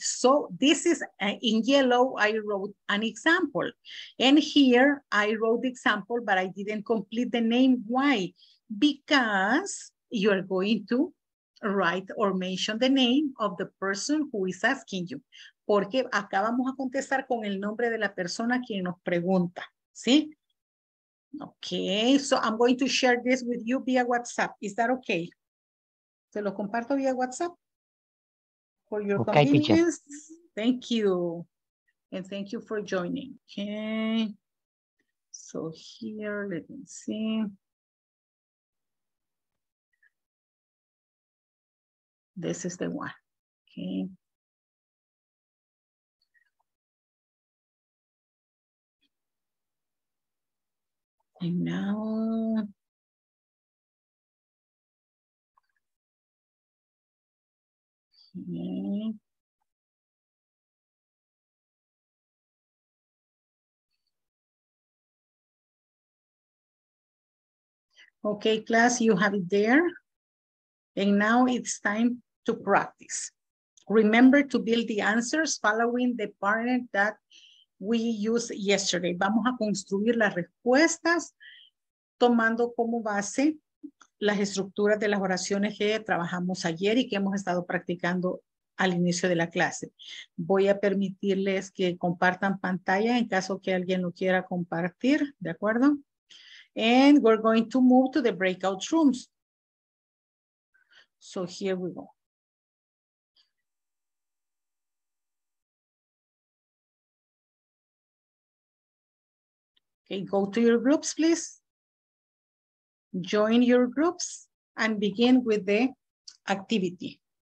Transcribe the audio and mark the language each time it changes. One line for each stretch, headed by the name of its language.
English: So this is in yellow, I wrote an example. And here I wrote the example, but I didn't complete the name. Why? Because you're going to write or mention the name of the person who is asking you.
Spanish: Porque acá vamos a contestar con el nombre de la persona quien nos pregunta, ¿sí?
English: Okay, so I'm going to share this with you via WhatsApp. Is that okay?
Spanish: ¿Se lo comparto vía WhatsApp?
English: For your okay, convenience. Teacher. Thank you. And thank you for joining. Okay. So here, let me see. This is the one, okay. And now, okay. Okay, class, you have it there. And now it's time to practice. Remember to build the answers following the pattern that we used yesterday.
Spanish: Vamos a construir las respuestas tomando como base las estructuras de las oraciones que trabajamos ayer y que hemos estado practicando al inicio de la clase. Voy a permitirles que compartan pantalla en caso que alguien lo quiera compartir, ¿de acuerdo?
English: And we're going to move to the breakout rooms. So here we go. Okay, go to your groups, please. Join your groups and begin with the activity.